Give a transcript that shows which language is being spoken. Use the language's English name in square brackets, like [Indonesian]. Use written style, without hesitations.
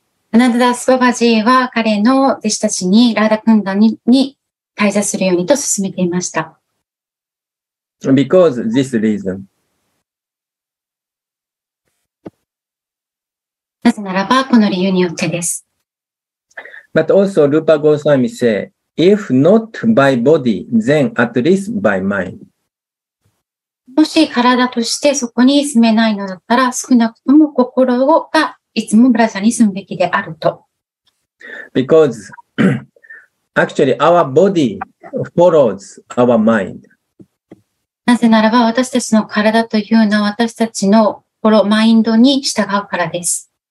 [Japanese] アナンタスババジは彼の弟子たちにラダクンダに滞在するようにと勧めていました。 [English] Because this reason. [Japanese] なぜならば、この理由によってです。 [English] But also, Rupa Goswami say, if not by body, then at least by mind. [Japanese] もし体としてそこに住めないのだったら、少なくとも心がいつもブラジャに住むべきであると。 [English] Because, actually, our body follows our mind. [Japanese] なぜならば私たちの体というのは私たちの心、マインドに従うからです。